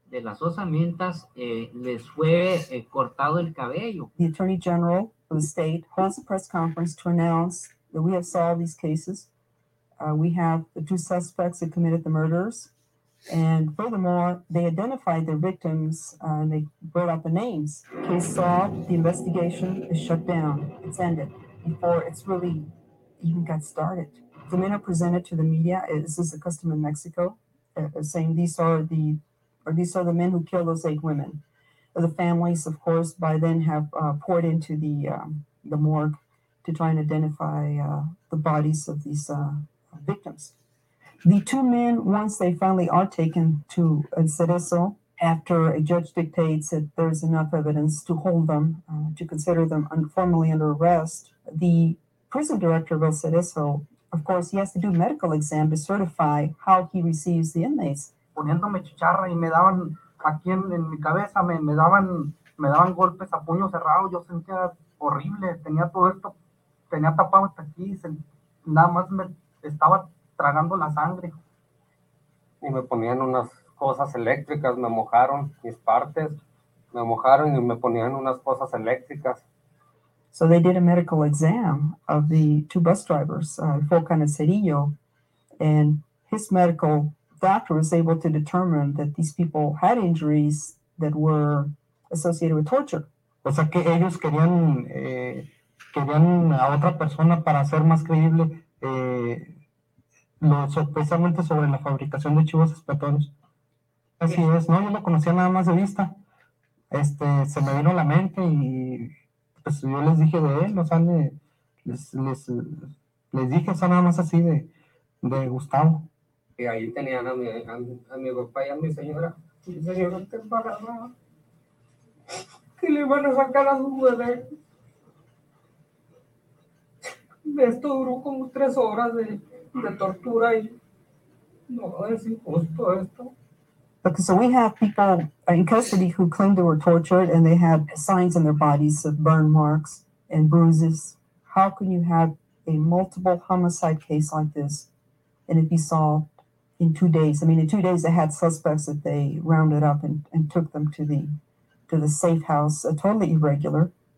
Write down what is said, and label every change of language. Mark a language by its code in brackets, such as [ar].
[es] De las osamentas les fue cortado el cabello. [en] The Attorney General of the state holds a press conference to announce that we have solved these cases. We have the two suspects that committed the murders. And furthermore, they identified their victims and they brought out the names. Case solved, the investigation is shut down. It's ended before it's really even got started. The men are presented to the media. This is a custom in Mexico, saying these are the men who killed those eight women. The families, of course, by then have poured into the morgue to try and identify the bodies of these victims. The two men, once they finally are taken to El Cerezo, after a judge dictates that there's enough evidence to hold them, to consider them formally under arrest, the prison director of El Cerezo, of course, he has to do a medical exam to certify how he receives the inmates. [es] Poniéndome chicharra y me daban aquí en mi cabeza, me daban golpes a puño cerrado, yo sentía horrible, tenía todo esto, tenía tapado hasta aquí, nada más me estaba tragando la sangre. Y me ponían unas cosas eléctricas, me mojaron mis partes, me mojaron y me ponían unas cosas eléctricas. [en] So they did a medical exam of the two bus drivers, Foca and Cerillo, and his medical doctor was able to determine that these people had injuries that were associated with torture. [es] O sea, que ellos querían querían a otra persona para hacer más creíble precisamente sobre la fabricación de chivos expiatorios. Así es, no, yo lo conocía nada más de vista. Se me vino a la mente y pues yo les dije de él, o sea, les dije, o sea, nada más así de Gustavo. Y ahí tenían a mi papá y a mi señora. Mi señora está embarazada. Que le iban a sacar a su bebé. Esto duró como 3 horas de tortura y no es injusto esto. [en] Okay, so we have people in custody who claim they were tortured and they have signs on their bodies of burn marks and bruises. How can you have a multiple homicide case like this and it be solved in 2 days? I mean, in 2 days they had suspects that they rounded up and took them to the safe house, totally irregular.